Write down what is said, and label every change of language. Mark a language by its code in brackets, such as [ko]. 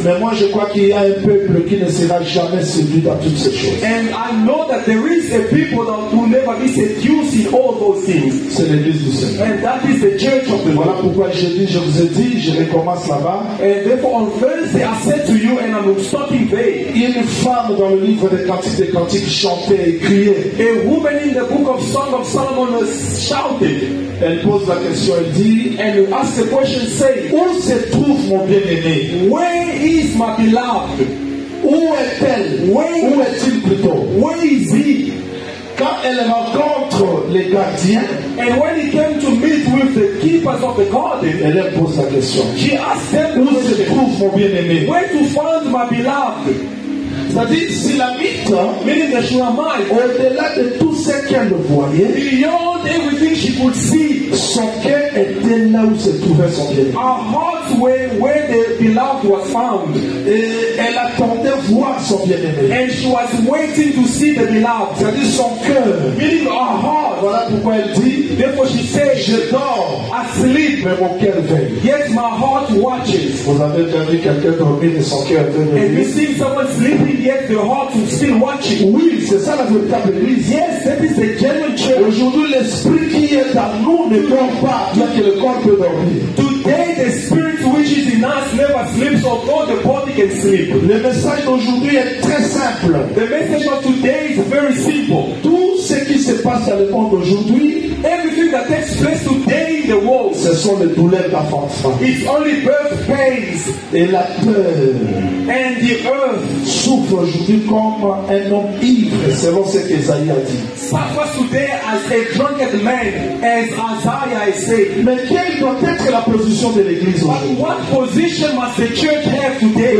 [fr] Mais moi, je crois qu'il y a un peuple qui ne sera jamais séduit dans toutes ces choses. [en] And I know that there is a people that will never be seduced in all those things. [fr] C'est l'Église du Seigneur. [en] And that is the Church of the Lord. [fr] Voilà pourquoi je dis, je vous ai dit, je recommence là-bas. [en] And therefore, on Thursday, I said to you, and I'm stopping there. [fr] Une femme dans le livre des Cantiques, chantait et criait. [en] A woman in the book of Song of Solomon was shouted. [fr] Elle pose la question, elle dit, [en] and you ask the question, say, [fr] où se trouve mon bien-aimé? [en] Where is my beloved? [fr] Où est-elle? [en] Where [fr] où est-il plutôt? [en] Where is he? [fr] Quand elle rencontre les gardiens, [en] and when he came to meet with the keepers of the garden, [fr] elle pose la question. [en] She asked them, [fr] où se trouve mon bien-aimé? [en] Where to find my beloved? [fr] C'est-à-dire, si la mythe, [en] meaning the Shulamite, [fr] au-delà de tout ce qu'elle voyait, [en] beyond everything she could see, [fr] son cœur était là où se trouvait son bien. [en] Her heart way where the beloved was found. [fr] Et elle attendait voir son bien-aimé. [en] And she was waiting to see the beloved. [fr] C'est-à-dire son cœur. [en] Meaning her heart. [fr] Voilà pourquoi elle dit. [en] Therefore she says, [fr] je dors. [en] I sleep. [fr] Mais mon cœur veille. [en] Yet my heart watches. [fr] Vous avez déjà vu quelqu'un dormir et son cœur veille. [en] And you see someone sleeping yet their heart is still watching. [fr] Oui, c'est ça la véritable église. [en] Yes, that is the genuine church. [fr] Aujourd'hui, l'esprit qui est en nous ne dort pas. Bien que le corps peut dormir. [en] Today the spirit which is in us never sleeps, although the body can sleep. [fr] Le message d'aujourd'hui est très simple. [en] The message of today is very simple. [fr] Tout ce qui se passe dans le monde aujourd'hui, [en] everything that takes place today in the world, [fr] ce sont les douleurs d'enfantement. [en] It's only birth pains. [fr] Et la peur. [en] And the earth [fr] souffre aujourd'hui comme un homme ivre, selon ce que Isaïe a dit. [en] Suffers today as a drunken man, as Isaiah has said. [fr] Mais quelle doit être la position de l'Église aujourd'hui? [en] But what position must the church have today?